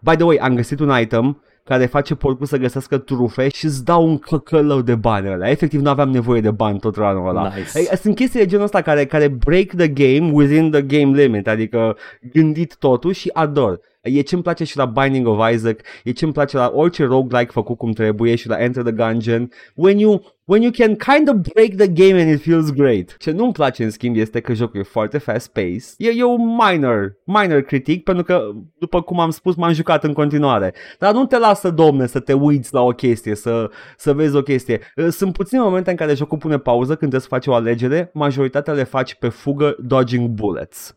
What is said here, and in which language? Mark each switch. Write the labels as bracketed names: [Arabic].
[English] By the way, [Romanian] am găsit un item care face porcul să găsească trufe și îți dau un căcălău de bani ăla. Efectiv, nu aveam nevoie de bani tot ranul ăla. [English] Nice. [Romanian] Sunt chestii de genul ăsta care [English] break the game within the game limit, [Romanian] adică gândit totul și ador. E ce-mi place și la Binding of Isaac, e ce-mi place la orice roguelike făcut cum trebuie și la Enter the Gungeon. [English] When you can kind of break the game and it feels great. [Romanian] Ce nu-mi place în schimb este că jocul e foarte fast-paced. E un minor critic, pentru că, după cum am spus, m-am jucat în continuare. Dar nu te lasă, domne, să te uiți la o chestie, să vezi o chestie. Sunt puține momente în care jocul pune pauză când trebuie să faci o alegere. Majoritatea le faci pe fugă, [English] dodging bullets.